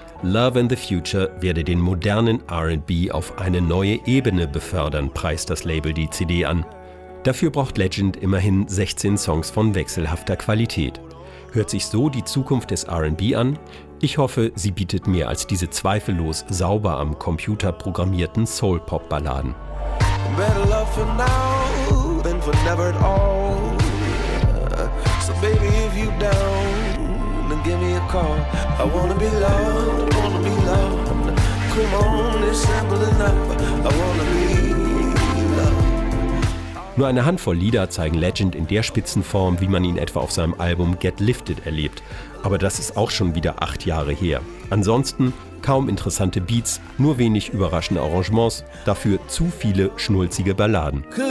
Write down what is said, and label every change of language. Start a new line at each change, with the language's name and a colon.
German: Love in the Future werde den modernen R&B auf eine neue Ebene befördern, preist das Label die CD an. Dafür braucht Legend immerhin 16 Songs von wechselhafter Qualität. Hört sich so die Zukunft des R&B an? Ich hoffe, sie bietet mehr als diese zweifellos sauber am Computer programmierten Soul-Pop-Balladen.
English: Better love for now than for never at all. So baby, if you down, then give me a call. I wanna be loved, I wanna be loved. Come on, it's simple enough. I wanna be.
German: Nur eine Handvoll Lieder zeigen Legend in der Spitzenform, wie man ihn etwa auf seinem Album Get Lifted erlebt. Aber das ist auch schon wieder 8 Jahre her. Ansonsten kaum interessante Beats, nur wenig überraschende Arrangements, dafür zu viele schnulzige Balladen.